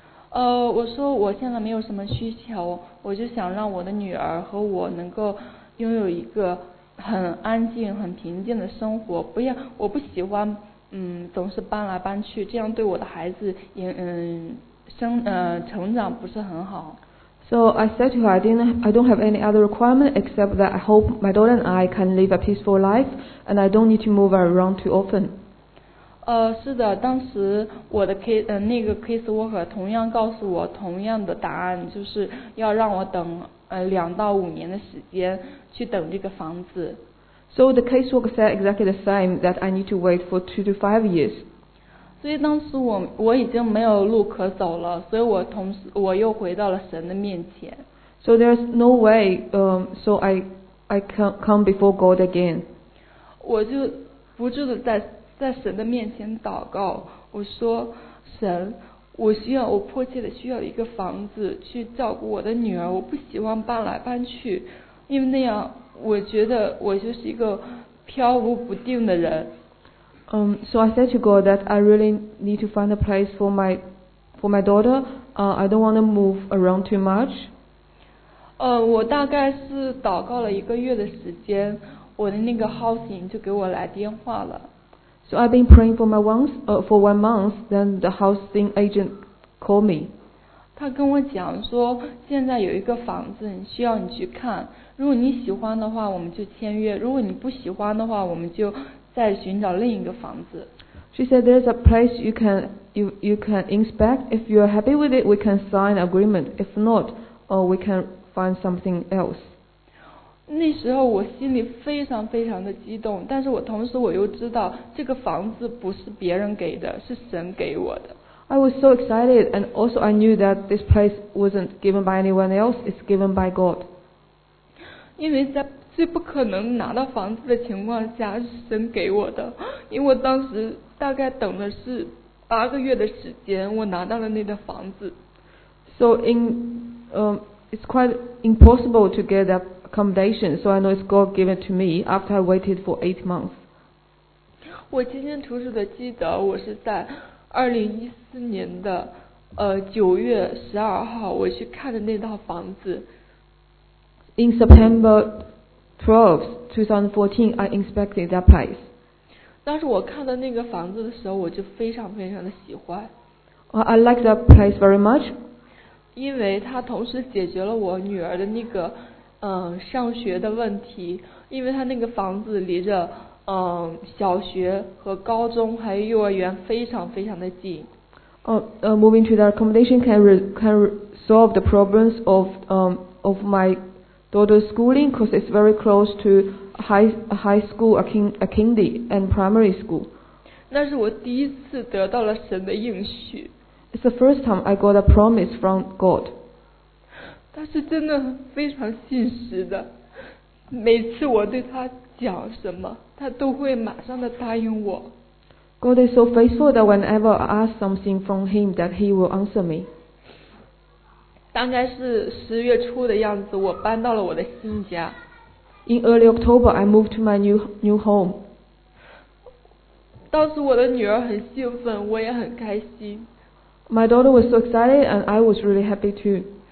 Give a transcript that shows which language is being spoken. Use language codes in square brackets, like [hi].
[zh] 我说我现在没有什么需求，我就想让我的女儿和我能够拥有一个很安静很平静的生活，我不喜欢总是搬来搬去，这样对我的孩子成长不是很好。 [en] So I said to her, I don't have any other requirement except that I hope my daughter and I can live a peaceful life and I don't need to move around too often. [zh] 是的，当时我的 那个 case worker 同样告诉我同样的答案，就是要让我等两到五年的时间去等这个房子。 [en] So the case worker said exactly the same, that I need to wait for 2 to 5 years. [zh] 所以当时我已经没有路可走了，所以我又回到了神的面前。 [en] So there's no way, so I can't come before God again. [zh] 我就不住的在神的面前祷告，我说神，我迫切的需要一个房子去照顾我的女儿，我不希望搬来搬去，因为那样我觉得我就是一个飘忽不定的人。 [en] So I said to God that I really need to find a place for my daughter. I don't want to move around too much. [zh] 我大概是祷告了一个月的时间，我的那个 housing 就给我来电话了。 [en] So I've been praying for 1 month, then the housing agent called me. [zh] 他跟我讲说，现在有一个房子，需要你去看。如果你喜欢的话，我们就签约；如果你不喜欢的话，我们就再寻找另一个房子。 [en] She said there's a place you can inspect. If you're happy with it, we can sign an agreement. If not, we can find something else. [zh] 那时候我心里非常非常的激动，但是我同时我又知道这个房子不是别人给的，是神给我的。 [en] I was so excited, and also I knew that this place wasn't given by anyone else, it's given by God. [zh] 因为在最不可能拿到房子的情况下是神给我的，因为我当时大概等的是8个月的时间，我拿到了那个房子。 [en] So it's quite impossible to get that. Accommodation, so I know it's God given to me after I waited for 8 months. [zh] 我清清楚楚的记得，我是在2014年的9月12号，我去看的那套房子。 [en] In September 12th, 2014, I inspected that place. [zh] 当时我看到那个房子的时候，我就非常非常的喜欢。 [en] I like that place very much. [zh] 因为它同时解决了我女儿的那个。上学的问题，因为他那个房子离着小学和高中还有幼儿园非常非常的近。 [en] Moving to the accommodation can solve the problems of my daughter's schooling because it's very close to high school, a kindy and primary school. [zh] 那是我第一次得到了神的应许。 [en] It's the first time I got a promise from God. [zh] 他是真的非常信实的，每次我对他讲什么，他都会马上的答应我。 [en] God is so faithful that whenever I ask something from him, that he will answer me. [zh] 大概是10月初的样子，我搬到了我的新家。 [en] In early October, I moved to my new home. [zh] 当时我的女儿很兴奋，我也很开心。 [en] My daughter was so excited, and I was really happy too.